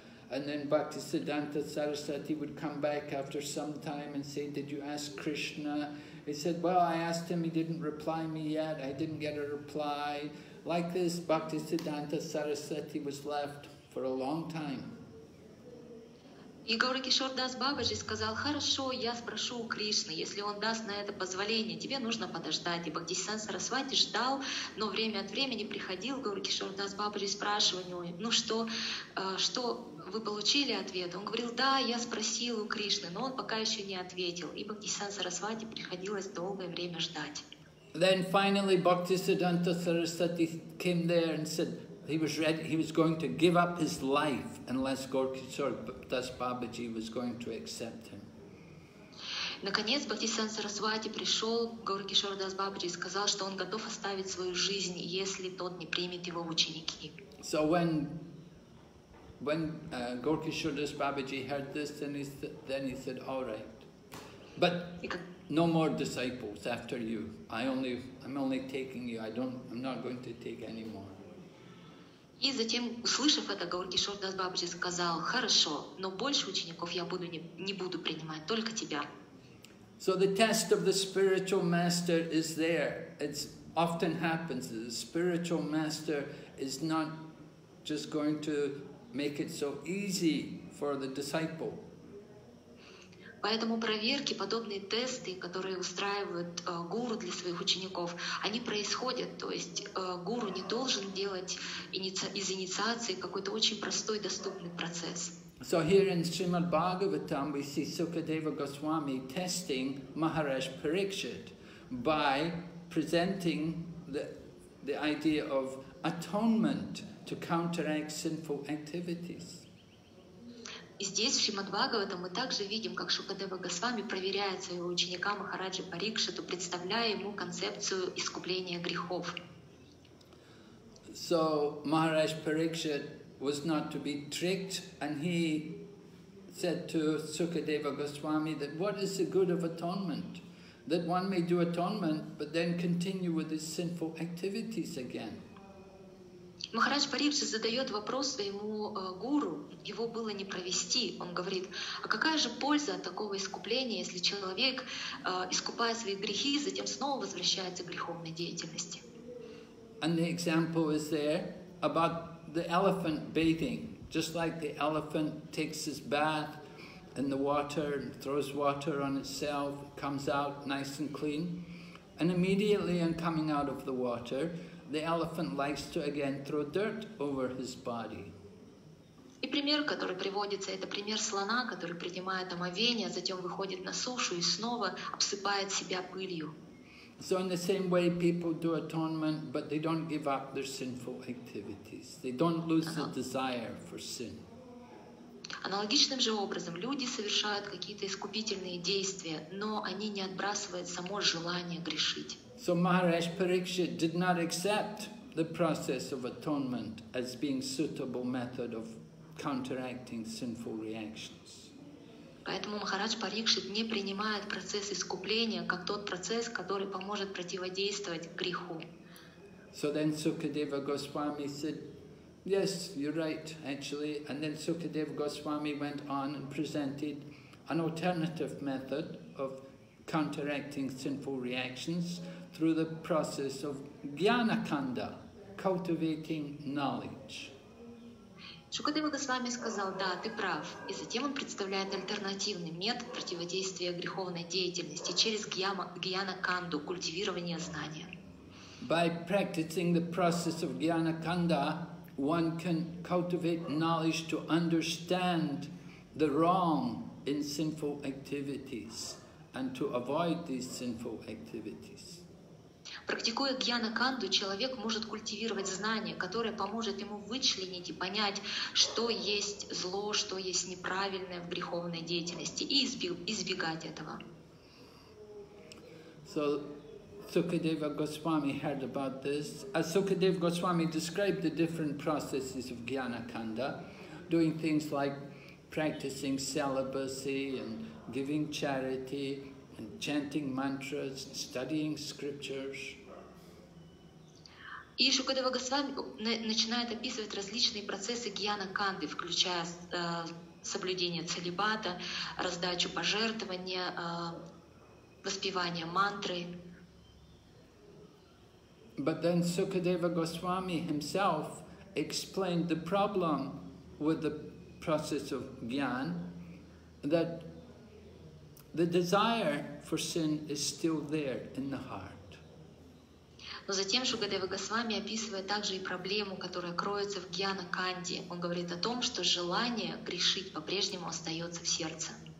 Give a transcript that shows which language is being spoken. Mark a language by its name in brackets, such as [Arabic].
[English] And then Bhaktisiddhanta Sarasvati would come back after some time and say, did you ask Krishna? He said, well, I asked him, he didn't reply me yet, I didn't get a reply. Like this, Bhaktisiddhanta Sarasvati was left for a long time. [Russian] И Гаурокишордас Бабаджи сказал, хорошо, я спрошу у Кришны, если он даст на это позволение, тебе нужно подождать. И Бхактисан Сарасвати ждал, но время от времени приходил Гаурокишордас Бабаджи и спрашивал у него, ну что вы получили ответ? Он говорил, да, я спросил у Кришны, но он пока еще не ответил. И Бхактисан Сарасвати приходилось долгое время ждать. [English] Then finally Bhaktisiddhanta Sarasvati came there and said, he was ready, he was going to give up his life unless Gaurakishordas Babaji was going to accept him. [Russian] Наконец Бхактисан Сарасвати пришел к Гаурокишордас Бабаджи и сказал, что он готов оставить свою жизнь, если тот не примет его в ученики. [English] So when Gaurakishordas Babaji heard this, then he said, all right, but no more disciples after you. I'm not going to take any more. [Russian] И затем, услышав это, Гаурокишордас Бабаджи сказал, хорошо, но больше учеников я не буду принимать, только тебя. [English] So the test of the spiritual master is there. It often happens that the spiritual master is not just going to make it so easy for the disciple. [Russian] Поэтому проверки, подобные тесты, которые устраивают гуру для своих учеников, они происходят. То есть гуру не должен делать из инициации какой-то очень простой доступный процесс. [English] So here in Srimad Bhagavatam we see Sukadeva Goswami testing Maharaj Parikshit by presenting the idea of atonement to counteract sinful activities. [Russian] И здесь, в Шримад-Бхагаватам, мы также видим, как Шукадева Госвами проверяет своего ученика Махараджи Парикшиту, представляя ему концепцию искупления грехов. [English] So, Maharaj Parikshit was not to be tricked, and he said to Sukadeva Goswami that what is the good of atonement? That one may do atonement, but then continue with his sinful activities again. [Russian] Махарадж Парикшит задает вопрос своему гуру, его было не провести. Он говорит, а какая же польза от такого искупления, если человек, искупая свои грехи, затем снова возвращается к греховной деятельности? [English] And the example is there about the elephant bathing. Just like the elephant takes his bath in the water, and throws water on itself, comes out nice and clean, and immediately on coming out of the water, the elephant likes to again throw dirt over his body. [Russian] И пример, который приводится, это пример слона, который принимает омовение, затем выходит на сушу и снова обсыпает себя пылью. [English] So in the same way, people do atonement, but they don't give up their sinful activities. They don't lose the desire for sin. [Russian] Аналогичным же образом люди совершают какие-то искупительные действия, но они не отбрасывают само желание грешить. [English] So Maharaj Parikshit did not accept the process of atonement as being suitable method of counteracting sinful reactions. [Russian] Поэтому Махарадж Парикшит не принимает процесс искупления как тот процесс, который поможет противодействовать греху. [English] So then Sukadeva Goswami said, yes, you're right, actually. And then Sukadeva Goswami went on and presented an alternative method of counteracting sinful reactions through the process of Jnanakanda, cultivating knowledge. [Russian] Шукадева Госвами сказал, да, ты прав. И затем он представляет альтернативный метод противодействия греховной деятельности через Гьяна-канду, культивирование знания. [English] By practicing the process of Gyanakanda, one can cultivate knowledge to understand the wrong in sinful activities and to avoid these sinful activities. [Russian] Практикуя Гьяна-канду, человек может культивировать знание, которое поможет ему вычленить и понять, что есть зло, что есть неправильное в греховной деятельности, и избегать этого. [English] So, Sukadeva Goswami heard about this. As Sukadeva Goswami described the different processes of Gyanakanda, doing things like practicing celibacy and giving charity, and chanting mantras, studying scriptures. [Russian] И Шукадева Госвами начинает описывать различные процессы Гьяна-канды, включая соблюдение целибата, раздачу пожертвования, воспевание мантры. [English] But then Sukadeva Goswami himself explained the problem with the process of Gyan, that the desire for sin is still there in the heart. [Russian] Но затем Шукадева Госвами описывает также и проблему, которая кроется в Гьяна-канде. Он говорит о том, что желание грешить по-прежнему остается в сердце.